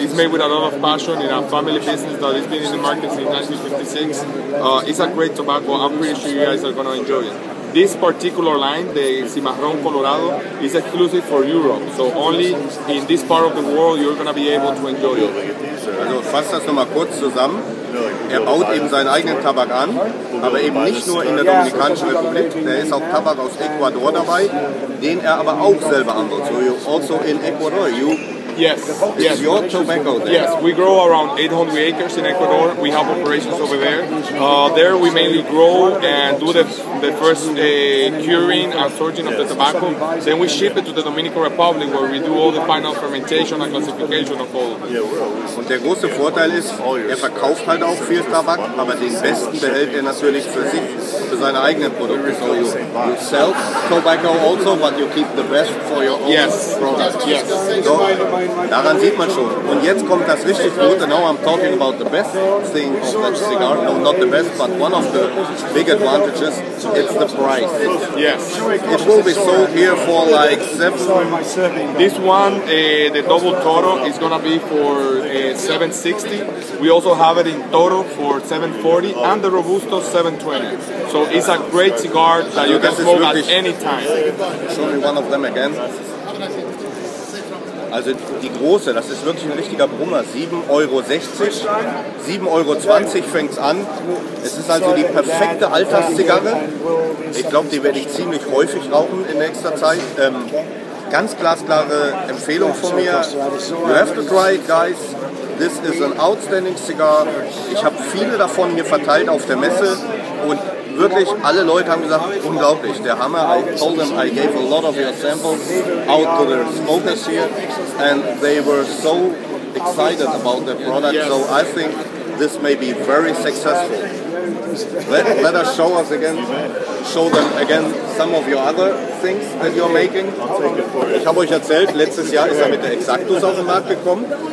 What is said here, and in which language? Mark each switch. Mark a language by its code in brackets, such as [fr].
[en] It's made with a lot of passion in a family business that has been in the market since 1956. It's a great tobacco. I'm pretty sure you guys are going to enjoy it. This particular line, the Cimarron Colorado, is exclusive for Europe. So only in this part of the world you're going to be able to enjoy it. [de] Also fasst das nochmal kurz zusammen. Er baut eben seinen eigenen Tabak an, aber eben nicht nur in der Dominikanischen Republik. Da ist auch Tabak aus Ecuador dabei, den er aber auch selber anbaut. [en] So you also in Ecuador, you... Yes, yes. Your tobacco there. Yes, we grow around 800 acres in Ecuador. We have operations over there. There we mainly grow and do the first curing and sorting of the tobacco. Then we ship it to the Dominican Republic where we do all the final fermentation and classification of all of them. [de] Und der große Vorteil ist, er verkauft halt auch viel Tabak, aber den besten behält er natürlich für sich, für seine eigenen Produkte. [en] So you sell tobacco also, but you keep the best for your own products. Yes, yes. [de] So, daran sieht man schon. Und jetzt kommt das richtig Gute. [en] Now I'm talking about the best thing of that cigar. No, not the best, but one of the big advantages. It's the price. Yes. It will be sold here for like 7. This one, the double Toro, is going to be for 760. We also have it in Toro for 740 and the Robusto 720. So it's a great cigar that you can smoke at any time. Show me one of them again. [de] Also die große, das ist wirklich ein richtiger Brummer, 7,60 €, 7,20 € fängt es an. Es ist also die perfekte Alterszigarre. Ich glaube, die werde ich ziemlich häufig rauchen in nächster Zeit. Ganz glasklare Empfehlung von mir. [en] You have to try it, guys. This is an outstanding cigar. [de] Ich habe viele davon hier verteilt auf der Messe und wirklich, alle Leute haben gesagt, unglaublich, der Hammer. [en] I told them I gave a lot of your samples out to the smokers here and they were so excited about the product. So I think this may be very successful. Let us show us again, show them again some of your other things that you're making. [de] Ich habe euch erzählt, letztes Jahr ist er mit der Exactus auf den Markt gekommen.